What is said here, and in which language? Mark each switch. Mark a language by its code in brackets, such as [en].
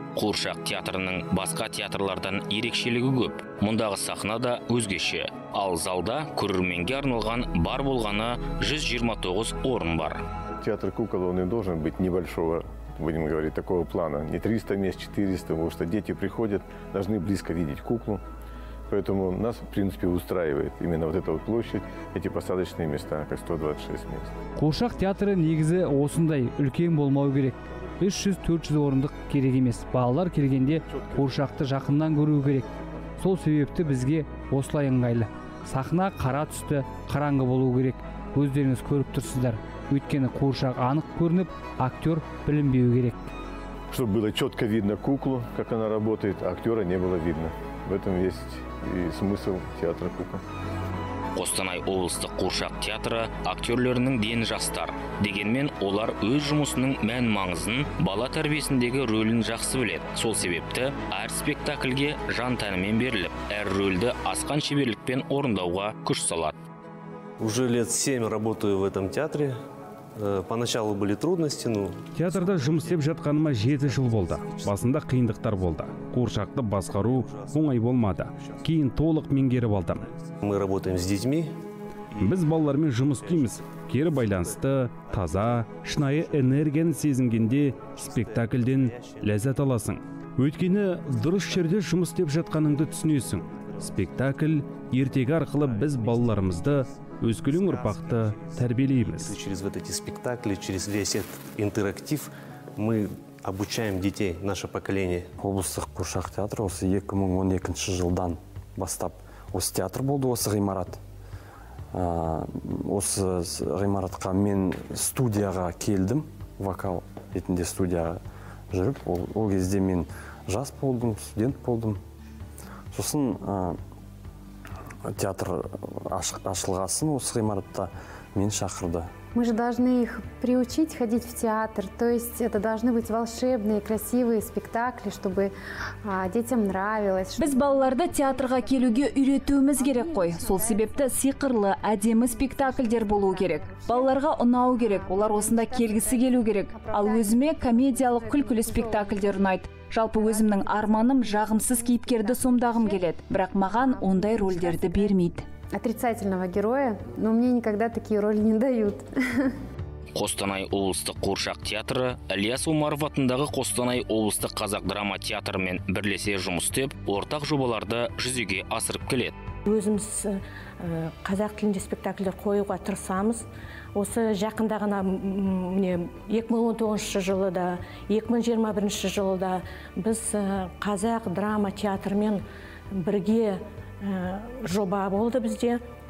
[kk] Қуыршақ театрының басқа театрлардан ерекшелігі көп. Мұндағы сахна да өзгеше. Ал залда көрерменге арналған бар болғаны 129 орын бар. [ru] Театр кукол, он и должен быть небольшого, будем говорить, такого плана. Не 300 мест, 400, потому что дети приходят, должны близко видеть куклу. Поэтому нас, в принципе, устраивает именно вот эта вот площадь, эти посадочные места, как 126 мест. [kk] Қуыршақ театры негізі осындай, үлкен болмау керек. 300-400 орындық керек емес. Балалар келгенде қуыршақты жақыннан көру керек. Сол себепті бізге осылай ыңғайлы. Сахна қара түсті, қараңғы болу керек. Өздеріңіз көріп тұрсыздар. Өйткені қуыршақ анық көрініп, актер білінбеу керек. [ru] Чтобы было четко видно куклу, как она работает, а актера не было видно. В этом есть и смысл театра кукол. [kk] Қостанай облыстық Қуыршақ театры актерлерінің дені жастар. Дегенмен олар өз жұмысының мән маңызын, бала тәрбиесіндегі рөлін жақсы біледі. Сол себепті әр спектакльге жан тәнімен беріліп, әр рөлді асқан шеберлікпен орындауға күш салады. [ru] Уже лет 7 работаю в этом театре. Поначалу были трудности, но... [kk] Театрда жұмыс істеп жатқаныма 7 жыл болды. Басында қиындықтар болды. Қуыршақты басқару оңай болмады. Кейін толық меңгеріп алдым. [ru] Мы работаем с детьми. [kk] Біз балалармен жұмыс істейміз. Кері байланысты, таза, шынайы энергияны сезінгенде спектакльден ләззат аласың. Өйткені дұрыс жерде жұмыс істеп жатқаныңды түсінесің. Спектакль ертегі арқылы біз балаларымызды, өскелең ұрпақты тәрбиелейміз. [ru] Через вот эти спектакли, через весь этот интерактив мы обучаем детей, наше поколение? [kk] Облыстық Куршақ театр осы 2012 жылдан бастап. Осы театр болды, осы ғимарат. Осы ғимаратқа мен студияға келдім, вокал етінде студияға жүріп. Ол кезде мен жас болдым, студент болдым. Сосын театр ашылғасын осы ғимаратта мен шақырды. [ru] Мы же должны их приучить ходить в театр. То есть это должны быть волшебные, красивые спектакли, чтобы детям нравилось. [kk] Біз балаларды театрға келуге үйретуіміз керек қой. Сол себепті сиқырлы, әдемі спектакльдер болу керек. Балаларға ұнау керек, олар осында келгісі келу керек. Ал өзіме комедиялық күлкілі спектакльдер ұнайды. Жалпы өзімнің арманым жағымсыз кейіпкерді сомдағым келеді. Бірақ маған ондай рольдерді бермейді. [ru] Отрицательного героя, но мне никогда такие роли не дают. [kk] Костанай облыстық Куршақ театры, Ильяс Умаров атындағы Костанай облыстық Қазақ драма театрымен бірлесе жұмыс істеп, ортақ жобаларды жүзеге асырып келеді. Өзіміз қазақ тілінде спектакльдер қоюға тырысамыз. Осы жақында ғана 2019 жылы да, 2021 жылы да біз Қазақ драма театрымен бірге жоба болды бізде.